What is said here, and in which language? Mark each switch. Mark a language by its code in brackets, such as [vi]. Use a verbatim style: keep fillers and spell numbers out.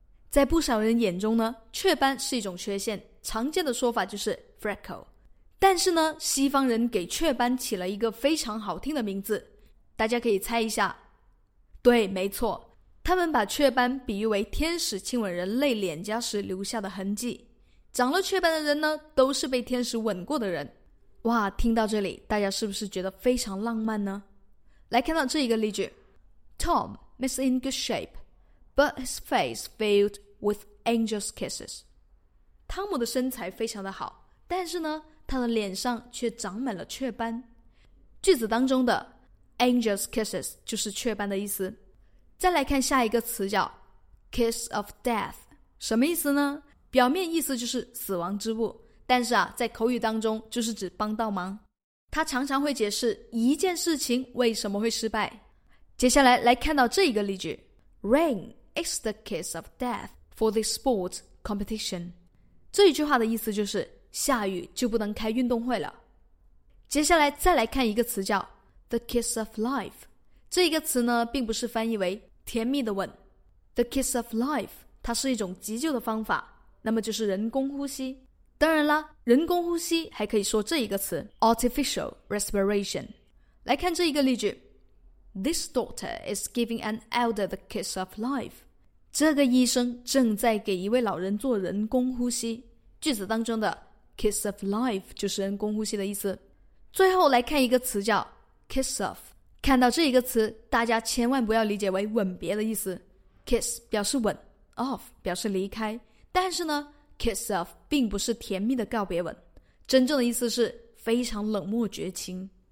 [zh] 在不少人眼中呢，雀斑是一种缺陷，常见的说法就是 freckle， 但是呢西方人给雀斑起了一个非常好听的名字，大家可以猜一下。对，没错，他们把雀斑比喻为天使亲吻人类脸颊时留下的痕迹，长了雀斑的人呢都是被天使吻过的人。哇，听到这里大家是不是觉得非常浪漫呢？来看到这一个例句 [en] Tom is in good shape but his face filled with angel's kisses. [zh] 汤姆的身材非常的好，但是呢他的脸上却长满了雀斑。句子当中的 angel's kisses 就是雀斑的意思。再来看下一个词叫 kiss of death， 什么意思呢？表面意思就是死亡之物，但是啊在口语当中就是指帮倒忙，它常常会解释一件事情为什么会失败。接下来来看到这一个例句 [en] Rain is the kiss of death for this sports competition. [zh] 这一句话的意思就是下雨就不能开运动会了。接下来再来看一个词叫 The kiss of life， 这一个词呢并不是翻译为甜蜜的吻， The kiss of life 它是一种急救的方法，那么就是人工呼吸。当然啦，人工呼吸还可以说这一个词 Artificial respiration。来看这一个例句 [en] This doctor is giving an elder the kiss of life. [zh] 这个医生正在给一位老人做人工呼吸。句子当中的 kiss of life 就是人工呼吸的意思。最后来看一个词叫 kiss off。看到这一个词，大家千万不要理解为吻别的意思。 kiss 表示吻， off 表示离开，但是呢 kiss off 并不是甜蜜的告别吻，真正的意思是非常冷漠绝情。